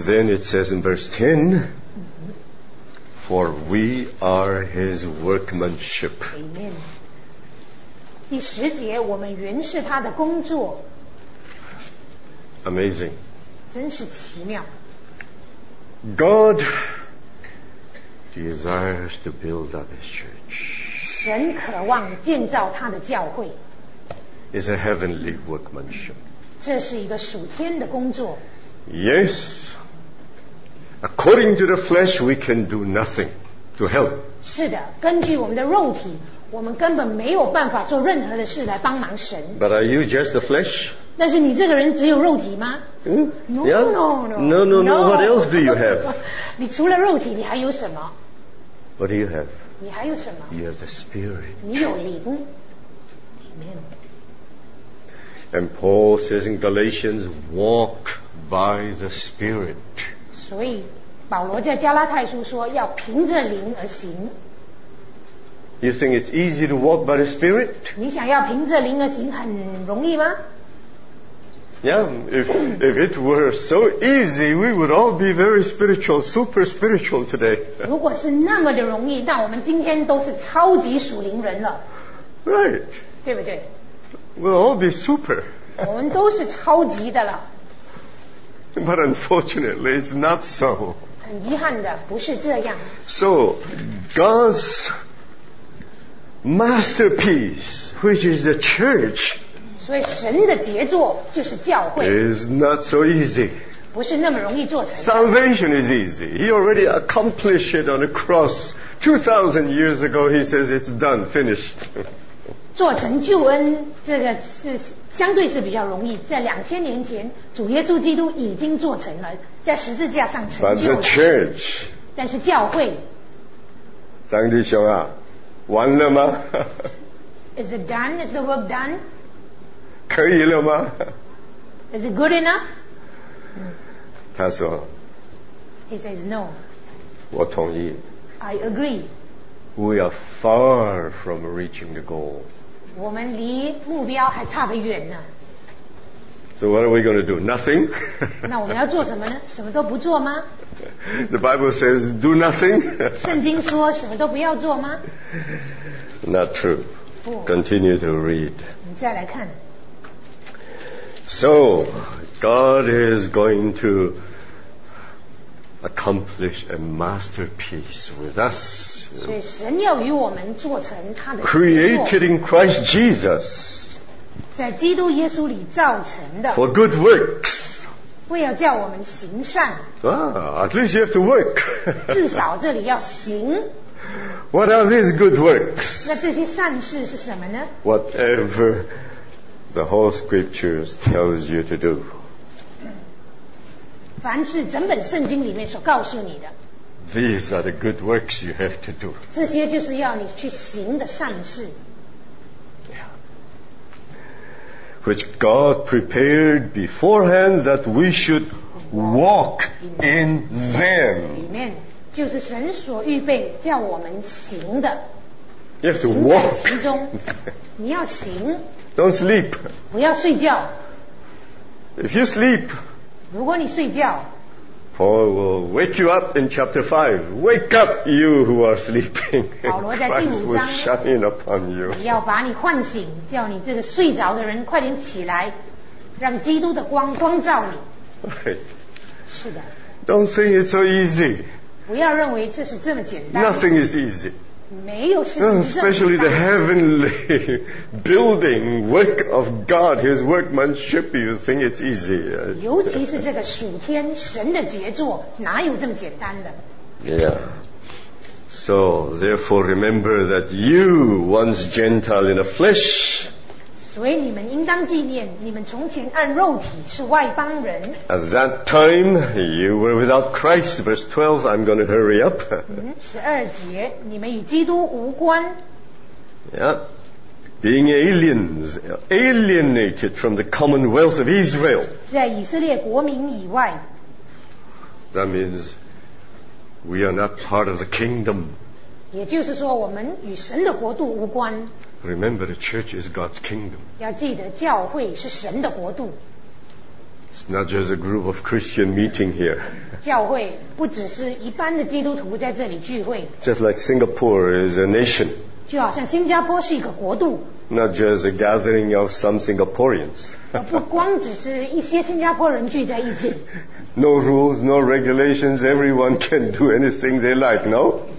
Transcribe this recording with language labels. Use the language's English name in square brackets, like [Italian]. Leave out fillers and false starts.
[English] Then it says in verse 10, "For we are His workmanship." Amen. [Chinese] 第十节，我们原是他的工作。 [English] amazing. [Chinese] 真是奇妙。 [English] God desires to build up His church. [Chinese] 神渴望建造他的教会。 [English] It's a heavenly workmanship. [Chinese] 这是一个属天的工作。 [English] Yes, according to the flesh, we can do nothing to help. [Chinese] 是的，根据我们的肉体，我们根本没有办法做任何的事来帮忙神。 [English] But are you just the flesh? [Chinese] 但是你这个人只有肉体吗？嗯 [English] ，No, no, no, no, no. What else do you have? [Chinese] 你除了肉体，你还有什么 [English] ？What do you have? [Chinese] 你还有什么 [English] ？You have the spirit. [Chinese] 你有灵。 [English] Amen. And Paul says in Galatians, walk by the Spirit. [Chinese] 所以保罗在加拉太书说要凭着灵而行。 [English] You think it's easy to walk by the Spirit? [Chinese] 你想要凭着灵而行很容易吗？ [English] Yeah, if it were so easy, we would all be very spiritual, super spiritual today. [Chinese] 如果是那么的容易，那我们今天都是超级属灵人了。 [English] Right. [Chinese] 对不对？ [English] We'll all be super. [Chinese] 我们都是超级的了。 [English] But unfortunately, it's not so. [Chinese] 很遗憾的，不是这样。 [English] So, God's masterpiece, which is the church, [Chinese] 所以神的杰作就是教会。 [English] Is not so easy. [Chinese] 不是那么容易做成。 [English] Salvation is easy. He already accomplished it on the cross 2,000 years ago. He says it's done, finished. [Chinese] 做成救恩，这个是相对是比较容易。在2000年前，主耶稣基督已经做成了，在十字架上成就了。 [English] But the church. [Chinese] 但是教会。张弟兄啊。完了吗 [English] Is it done? Is the work done? [Chinese] 可以了吗 [English] Is it good enough? [Chinese] 他说 [English] He says no. [Chinese] 我同意 [English] I agree. We are far from reaching the goal. [Chinese] 我们离目标还差得远呢 [English] So what are we going to do? Nothing? [Chinese] 那我们要做什么呢什么都不做吗 [English] The Bible says, do nothing. [Chinese] 圣经说什么都不要做吗 [English] Not true. Continue to read. [Chinese] 你再来看。 [English] So, God is going to accomplish a masterpiece with us. [Chinese] 所以神要与我们做成他的。 [English] Created in Christ Jesus. [Chinese] 在基督耶稣里造成的。 [English] For good works. [Chinese] 为要叫我们行善。 [English] Ah, at least you have to work. [Chinese] 至少这里要行。 [English] What are these good works? [Chinese] 那这些善事是什么呢？ [English] Whatever the whole scriptures tells you to do. [Chinese] 凡是整本圣经里面所告诉你的。 [English] These are the good works you have to do. [Chinese] 这些就是要你去行的善事。 [English] Which God prepared beforehand that we should walk in them. Amen. [Chinese] 就是神所预备叫我们行的。 [English] You have to walk. [Chinese] 行在其中。你要行。 [English] Don't sleep. [Chinese] 不要睡觉。 [English] If you sleep. [Chinese] 如果你睡觉。 [English] Paul will wake you up in chapter 5. Wake up you who are sleeping. Christ will shine upon you. [Chinese] 要把你唤醒，叫你这个睡着的人快点起来，让基督的光光照你。 [English] Right. [Chinese] 是的。 [English] Don't think it's so easy. [Chinese] 不要认为这是这么简单。 [English] Nothing is easy. [Chinese] 没有事情是这么简单。 [English] Especially the heavenly building work of God, His workmanship, you think it's easy. [Chinese] 尤其是这个属天神的杰作，哪有这么简单的？ [English] Yeah. So, therefore, remember that you, once Gentile in the flesh, [Chinese] 所以你们应当纪念，你们从前按肉体是外邦人。 [English] At that time, you were without Christ. Verse 12, I'm going to hurry up. [Chinese] 12节，你们与基督无关。 [English] Yeah. Being aliens, alienated from the commonwealth of Israel. [Chinese] 在以色列国民以外。 [English] That means we are not part of the kingdom. [Chinese] 也就是说我们与神的国度无关。 [English] Remember, the church is God's kingdom. [Chinese] 要记得教会是神的国度。 [English] It's not just a group of Christian meeting here. [Chinese] 教会不只是一般的基督徒在这里聚会。 [English] Just like Singapore is a nation. [Chinese] 就好像新加坡是一个国度。 [English] not just a gathering of some Singaporeans. [Chinese] 不光只是一些新加坡人聚在一起。 [English] No rules, no regulations. Everyone can do anything they like. No.